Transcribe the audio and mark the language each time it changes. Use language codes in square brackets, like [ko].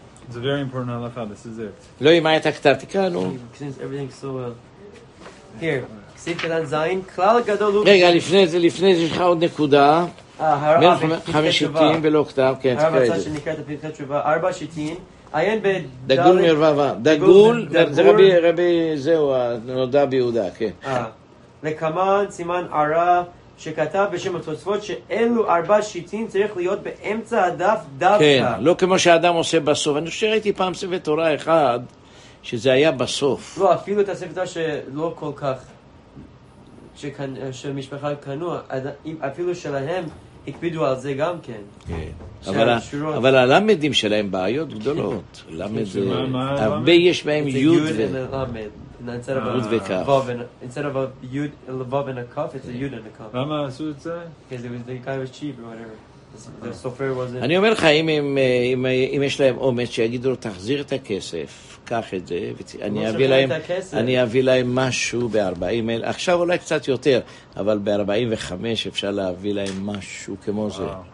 [en] זה very important הלכה, this is it. [he] לא, אם היית כתב, תקרא, נו. [en] Since everything is so well. Here. [he] סיפרן זין, כלל גדול הוא... רגע, לפני זה יש לך עוד נקודה. חמש שיטים ולא כתב, כן, תקרא את זה. הרב הצד שנקראת בפרקי תשובה, ארבע שיטים. עיין בדלת... דגול מרווה, דגול, זה רבי, זהו, נודע ביהודה, כן. לקמן, סימן ערה, שכתב בשם התוספות, שאלו ארבע שיטים צריך להיות באמצע הדף דווקא. כן, לא כמו שהאדם עושה בסוף. אני חושב שראיתי פעם ספר תורה אחד, שזה היה בסוף. לא, אפילו את הספר שלא כל כך... של משפחה קנוע, אפילו שלהם הקפידו על זה גם כן. אבל הלמדים שלהם בעיות גדולות. הרבה יש בהם יוד ו... יוד וכף. [en] Instead of a יוד ולבוב and a כף, it's a יוד and a כף. [he] למה עשו את זה? [en] Because the guy was cheap or whatever. The sofer wasn't... [he] אני אומר לך, אם יש להם אומץ, שיגידו לו, תחזיר את הכסף, קח את זה, אני אביא להם משהו ב-40 אלף. עכשיו אולי קצת יותר, אבל ב-45 אפשר להביא להם משהו כמו זה.